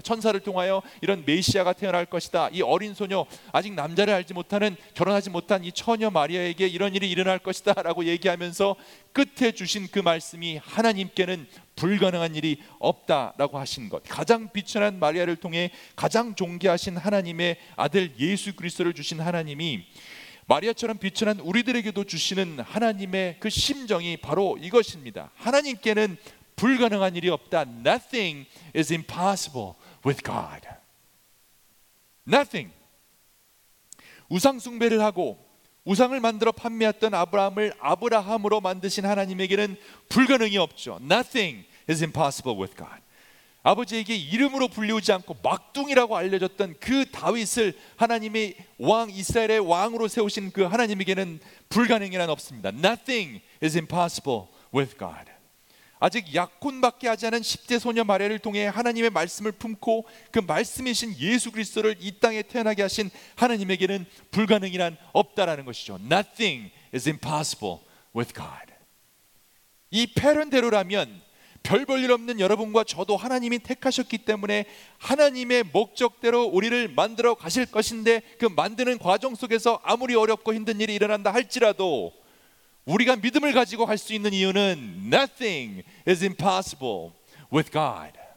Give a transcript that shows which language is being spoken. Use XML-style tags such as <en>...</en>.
<ko>천사를 통하여 이런 메시아가 태어날 것이다, 이 어린 소녀, 아직 남자를 알지 못하는, 결혼하지 못한 이 처녀 마리아에게 이런 일이 일어날 것이다 라고 얘기하면서 끝에 주신 그 말씀이 하나님께는 불가능한 일이 없다라고 하신 것, 가장 비천한 마리아를 통해 가장 존귀하신 하나님의 아들 예수 그리스도를 주신 하나님이 마리아처럼 비천한 우리들에게도 주시는 하나님의 그 심정이 바로 이것입니다. 하나님께는 불가능한 일이 없다.</ko> <en>Nothing is impossible with God. Nothing.</en> <ko>우상 숭배를 하고 우상을 만들어 판매했던 아브라함을 아브라함으로 만드신 하나님에게는 불가능이 없죠.</ko> <en>Nothing is impossible with God.</en> <ko>아버지에게 이름으로 불리우지 않고 막둥이라고 알려졌던 그 다윗을 하나님이 왕 이스라엘의 왕으로 세우신 그 하나님에게는 불가능이란 없습니다.</ko> <en>Nothing is impossible with God.</en> <ko>아직 약혼밖에 하지 않은 10대 소녀 마리아를 통해 하나님의 말씀을 품고 그 말씀이신 예수 그리스도를 이 땅에 태어나게 하신 하나님에게는 불가능이란 없다라는 것이죠.</ko> <en>Nothing is impossible with God.</en> <ko>이 패턴대로라면 별 볼일 없는 여러분과 저도 하나님이 택하셨기 때문에 하나님의 목적대로 우리를 만들어 가실 것인데 그 만드는 과정 속에서 아무리 어렵고 힘든 일이 일어난다 할지라도 우리가 믿음을 가지고 갈 수 있는 이유는</ko> <en>Nothing is impossible with God.</en>